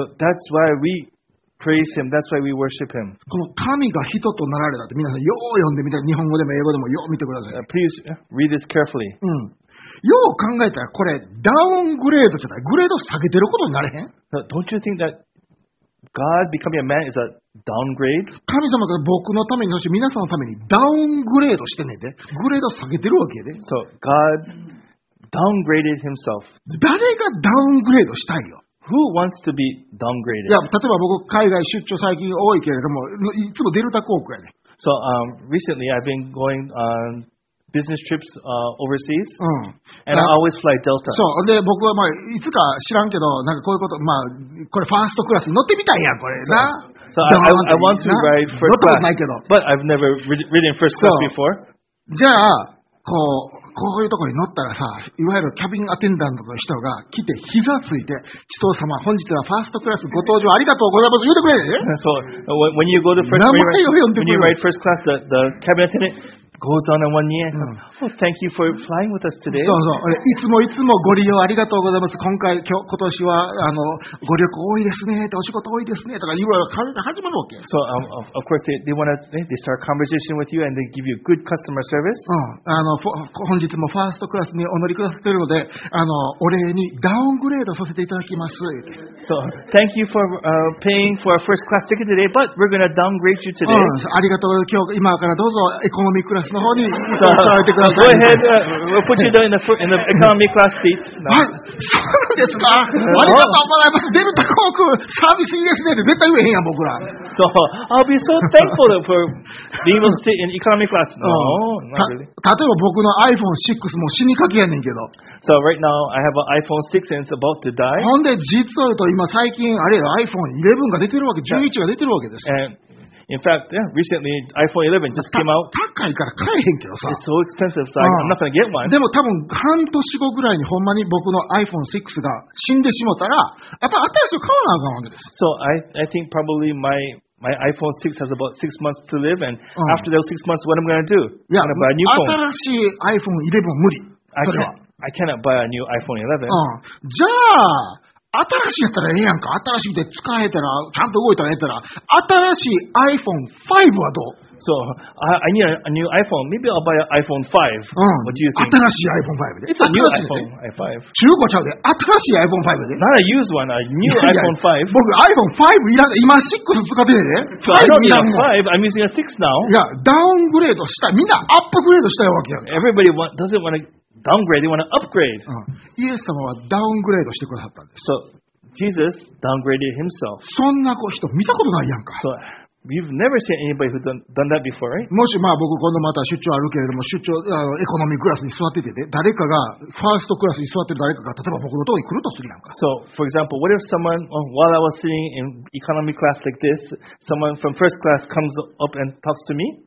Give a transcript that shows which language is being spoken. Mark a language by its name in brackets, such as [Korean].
[English] So, that's why we praise Him. That's why we worship Him. [Japanese] この神が人となられたって皆さんよう読んでみて、日本語でも英語でもよう見てください。 [English] Please read this carefully. うん。 [Japanese] よう考えたらこれダウングレードじゃない。グレード下げてることになれへん。 [English] So, don't you think that God becoming a man is a downgrade? [Japanese] 神様が僕のために、そして皆さんのためにダウングレードしてねえで、グレード下げてるわけで。 [English] So, God downgraded himself. [Japanese] 誰がダウングレードしたいよ。 [English] Who wants to be downgraded? [Japanese] いや、例えば僕、海外出張最近多いけれども、いつもデルタ航空やね。 [English] So, recently I've been going on... business trips overseas、うん、 and、I always fly Delta. [Japanese] そう、で僕はまあいつか知らんけどなんかこういうことまあこれファーストクラスに乗ってみたいやんこれな。 [English] So, so I want to ride first class. [Japanese] 乗ったことないけど。 [English] But I've never ridden first class before. [Japanese] じゃあこういうところに乗ったらさ、いわゆるキャビンアテンダントの人が来て膝ついて、地頭様本日はファーストクラスご搭乗ありがとうございます言ってくれ。 [English] So when you go to first class, the cabin attendant goes on in one ear. Oh, thank you for flying with us today. [Japanese] そうそう、いつもいつもご利用ありがとうございます。今年はご旅行多いですね。お仕事多いですね。とかいろいろ会話が始まるわけ。 [English] So of course they want to start conversation with you and they give you good customer service. [Japanese] 本日いつもファーストクラスにお乗りくださっているので、お礼にダウングレードさせていただきます。 [English] So, thank you for, paying for a first class ticket today, but we're going to downgrade you today. [Japanese] ありがとう。今からどうぞエコノミークラスの方に座ってください。 [English] Go ahead, we'll put you down in the economy class seats. [Japanese] No. そうですか。ありがとうございます。デルタ航空、サービスいいですね。絶対上へんやん、僕ら。 [English] So, I'll be so thankful for being able to sit in economy class. No, not really. [Japanese] 例えば僕の iPhone 6も死にかけやねんけど。 [English] So, right now, I have an iPhone 6 and it's about to die. [Japanese] ほんで、実は言うと今最近、あれや、iPhone 11が出てるわけ、11が出てるわけです。 [English] In fact, yeah, recently iPhone 11 just came out. [Japanese] 高いから買えへんけどさ。 [English] It's so expensive, so I'm not going to get one. [Japanese] でも多分半年後ぐらいにほんまに僕の iPhone 6が死んでしもたら、やっぱ新しいの買わなあかんわけです。 [English] So I think probably my iPhone 6 has about 6 months to live, and after those 6 months, what I'm going to do? I'm going to buy a new phone. [Japanese] 新しい iPhone 11無理。 [English] I cannot buy a new iPhone 11. [Japanese] じゃあ、新しいやったらええやんか。新しくて使えたら、ちゃんと動いたらええたら、新しい iPhone 5はどう？ [English] So, I need a new iPhone. Maybe I'll buy an iPhone 5. What do you think? [Japanese] 新しい iPhone 5で。 [English] It's a new iPhone 5. [Japanese] 中古ちゃうで。新しい iPhone 5で。 [English] Not a used one, a new iPhone 5. [Japanese] 僕 iPhone 5いらん。今6使ってるで。 [English] So, I don't need a 5. I'm using a 6 now. [Japanese] いや、ダウングレードしたい。みんなアップグレードしたいわけやん。 [English] Everybody doesn't want to... Downgrade, they want to upgrade. [Japanese] イエス様はダウングレードしてくださったんです。 [English] So, Jesus downgraded himself. [Japanese] そんな人見たことないやんか。 [English] So, you've never seen anybody who done that before, right? [Japanese] もし、まあ、僕今度また出張あるけれども、出張エコノミークラスに座っててね、誰かがファーストクラスに座ってる誰かが、例えば僕のとこに来るとするやんか。 [English] So, for example, what if someone, while I was sitting in economy class like this, someone from first class comes up and talks to me?